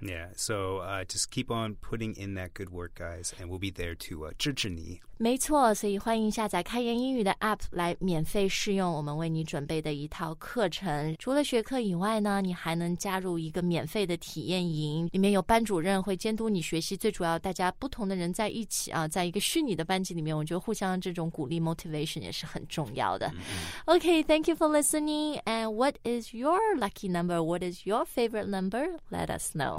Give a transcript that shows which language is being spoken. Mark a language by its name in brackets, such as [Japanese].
[English] Yeah, so just keep on putting in that good work guys and we'll be there to [Chinese] 支持你没错所以欢迎下载开言英语的 APP 来免费试用我们为你准备的一套课程除了学课以外呢你还能加入一个免费的体验营里面有班主任会监督你学习最主要大家不同的人在一起啊，在一个虚拟的班级里面我觉得互相这种鼓励 motivation 也是很重要的、mm-hmm. [English] OK, thank you for listening and what is your lucky number? What is your favorite number? Let us know